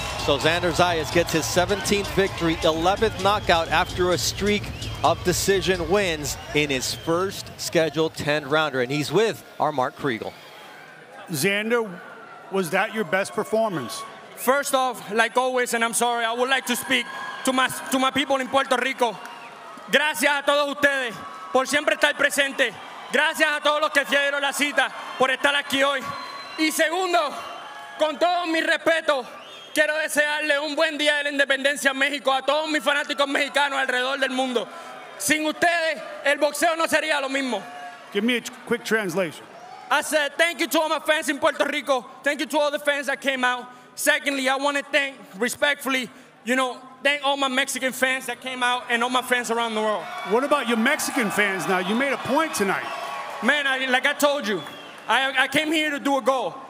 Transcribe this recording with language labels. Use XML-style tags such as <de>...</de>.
<en>So Xander Zayas gets his 17th victory, 11th knockout after a streak of decision wins in his first scheduled 10-rounder, and he's with our Mark Kriegel. Xander, was that your best performance? First off, like always, and I'm sorry, I would like to speak to my people in Puerto Rico.</en> <es>Gracias a todos ustedes por siempre estar presente. Gracias a todos los que dieron la cita por estar aquí hoy. Y segundo, con todo mi respeto, quiero desearle un buen día de la independencia en México a todos mis fanáticos mexicanos alrededor del mundo. Sin ustedes, el boxeo no sería lo mismo.</es> <en>Give me a quick translation. I said thank you to all my fans in Puerto Rico. Thank you to all the fans that came out. Secondly, I want to thank respectfully, you know, thank all my Mexican fans that came out and all my fans around the world. What about your Mexican fans now? You made a point tonight. Man, I came here to do a goal.</en>